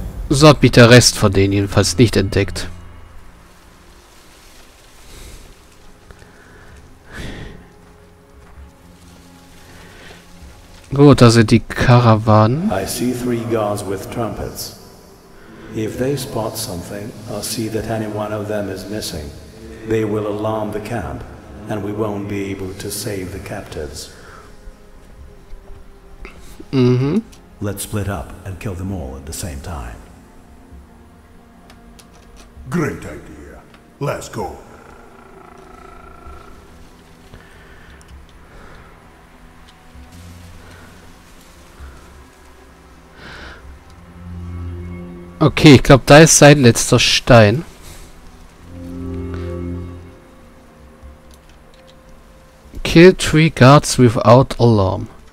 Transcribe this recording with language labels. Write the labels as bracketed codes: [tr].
[de] So hat mich der Rest von denen jedenfalls nicht entdeckt. Gut, da sind die Karawanen. [en] I see three guards with trumpets. If they spot something or see that any one of them is missing, they will alarm the camp and we won't be able to save the captives. Mhm. Let's split up and kill them all at the same time. Great idea. Let's go. [de] Okay, ich glaube, da ist sein letzter Stein. [en] Kill three guards without alarm.